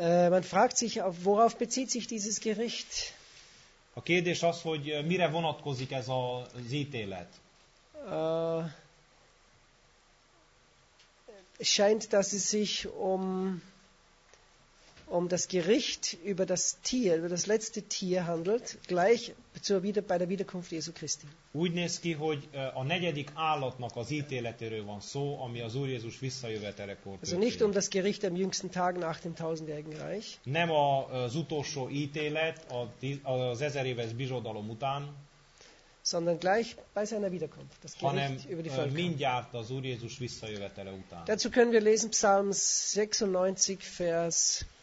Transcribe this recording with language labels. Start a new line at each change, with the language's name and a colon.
German: Man fragt sich, worauf bezieht sich dieses Gericht?
Hungarian: A kérdés az, hogy mire vonatkozik ez az ítélet.
German: Scheint, dass es sich um das Gericht über das Tier, über das letzte Tier handelt, gleich bei der Wiederkunft Jesu Christi.
Hungarian: Úgy néz ki, hogy a negyedik állatnak az ítéletéről van szó, ami az Úr Jézus visszajövetelekor.
German: Also nicht um das Gericht am jüngsten Tag nach dem tausendjährigen Reich.
Hungarian: Nem az utolsó ítélet, az ezer éves bizsodalom után,
German: sondern gleich bei seiner Wiederkunft, das Gericht über die Völker.
Hungarian: Mindjárt az Úr Jézus visszajövetele után.
German: Dazu können wir lesen Psalm 96, Vers